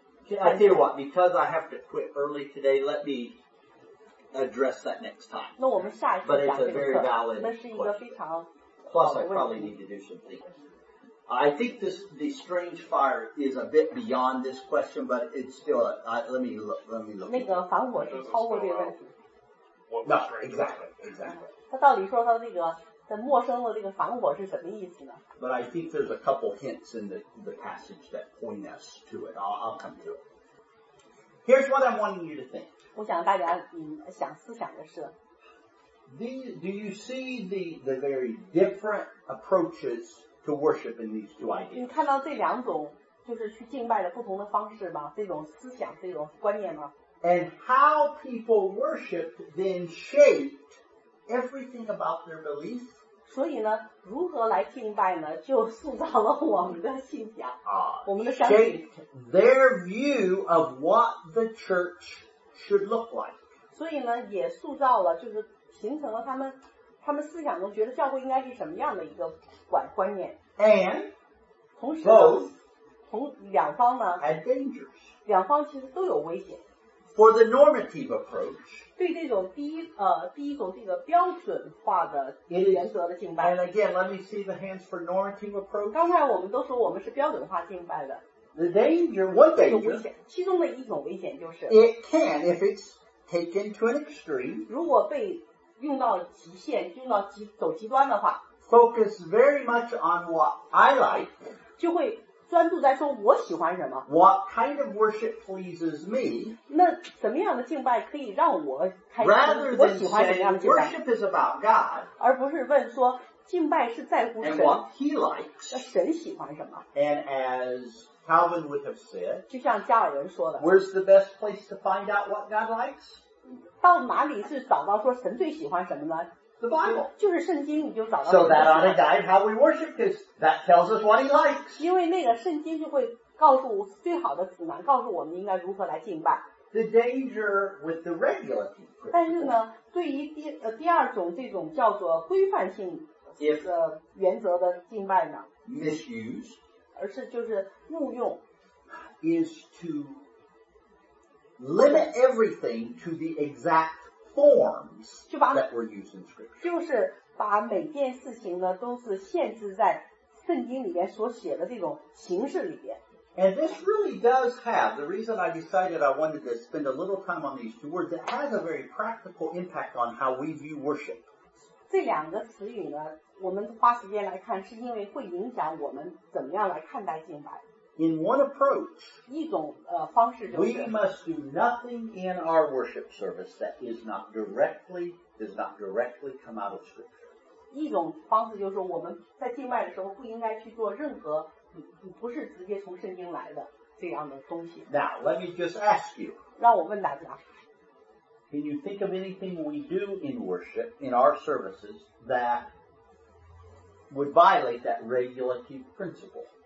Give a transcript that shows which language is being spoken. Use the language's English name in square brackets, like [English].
[English] I tell you what because I have to quit early today let me address that next time [Chinese] 那我们下一次 [English] But it's a very valid question [Chinese] 那是一个非常 [English] Plus I probably need to do some things I think the strange fire is a bit beyond this question, but it's still, let me look. [Chinese] 那个反火是超过这个问题。 [English] No, exactly. [Chinese] 他到底说他这个在陌生的这个反火是什么意思呢 [English] ？But I think there's a couple hints in the passage that point us to it. I'll come to it. Here's what I'm wanting you to think. [Chinese] 我想大家想思想的是。 [English] Do you see the very different approaches to worship in these two ideas? [Chinese] 你看到这两种就是去敬拜的不同的方式吗？这种思想，这种观念吗？ [English] And how people worshiped then shaped everything about their belief. [Chinese] 所以呢，如何来敬拜呢？就塑造了我们的信仰，我们的相信。 [English] Shaped their view of what the church should look like. [Chinese] 所以呢，也塑造了就是。形成了他们思想中觉得教会应该是什么样的一个观念 [English] ，and [Chinese] 同时 [English] both [Chinese] 同两方呢 [English] ，had dangers [Chinese] 两方其实都有危险。 [English] For the normative approach， [Chinese] 对这种第一种这个标准化的原则的敬拜。 [English] And again, let me see the hands for normative approach。 [Chinese] 刚才我们都说我们是标准化敬拜的。 [English] The danger, one danger， [Chinese] 其中的一种危险就是 [English] it can if it's taken to an extreme。 [Chinese] 如果被用到极限，用到走极端的话 [English] ，focus very much on what I like， [Chinese] 就会专注在说我喜欢什么 [English] ，what kind of worship pleases me， [Chinese] 那什么样的敬拜可以让我开心？ [English] Rather than [Chinese] 我喜欢什么样的敬拜 [English] ？Worship is about God， [Chinese] 而不是问说敬拜是在乎神 [English] ，and what He likes， [Chinese] 那神喜欢什么 [English] ？And as Calvin would have said， [Chinese] 就像加尔文说的 [English] ，Where's the best place to find out what God likes？ [Chinese] 到哪里是找到说神最喜欢什么呢 [English] ？The Bible， [Chinese] 就是圣经，你就找到。 [English] So that on a guide how we worship is that tells us what he likes。 [Chinese] 因为那个圣经就会告诉最好的指南，告诉我们应该如何来敬拜。 [English] The danger with the regulative。 [Chinese] 但是呢，对于第二种这种叫做规范性原则的敬拜呢 [English] ，misuse， [Chinese] 而是就是误用 [English] ，is to。 Limit everything to the exact forms that were used in scripture. [Chinese] 就是把每件事情呢都是限制在圣经里边所写的这种形式里边。 [English] And this really does have the reason I decided I wanted to spend a little time on these two words. It has a very practical impact on how we view worship. [Chinese] 这两个词语呢，我们花时间来看，是因为会影响我们怎么样来看待敬拜。 [English] In one approach, [Chinese] 一种方式就是 [English] we must do nothing in our worship service that is not directly does not directly come out of scripture. [Chinese] 一种方式就是我们在敬拜的时候不应该去做任何不是直接从圣经来的这样的东西。 [English] Now, let me just ask you. [Chinese] 让我问大家。 [English] Can you think of anything we do in worship, in our services, that would violate that regulative principle?